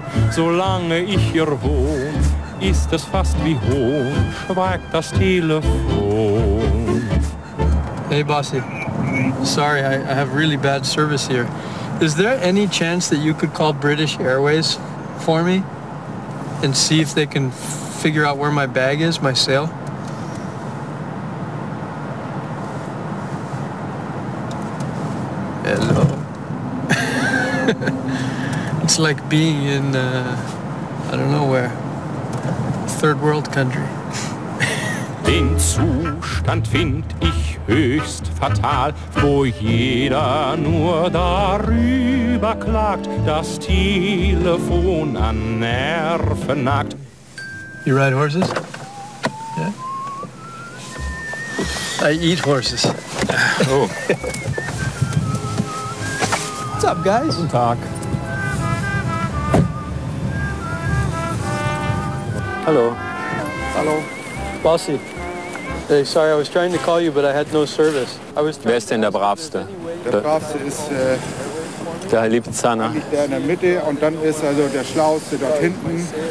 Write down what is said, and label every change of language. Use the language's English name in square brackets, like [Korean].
[German] Solange ich hier wohne, ist es fast wie Hohn. Schweigt das Telefon. [English] Hey Bossy, sorry, I have really bad service here. Is there any chance that you could call British Airways for me and see if they can figure out where my bag is, my sale? Hello. It's like being in, I don't know where, third world country. [German] Den Zustand find ich höchst fatal, wo jeder nur darüber klagt, das Telefon an Nerven nagt. [English] You ride horses? Yeah? I eat horses. Oh. What's up, guys? [German] Guten Tag. Hallo. Hallo. [English] Bossy. Hey, sorry, I was trying to call you, but I had no service. I was [German] Wer ist denn der Bravste? Der Bravste ist der Lipizzaner. Der in der Mitte und dann ist also der Schlauste dort hinten.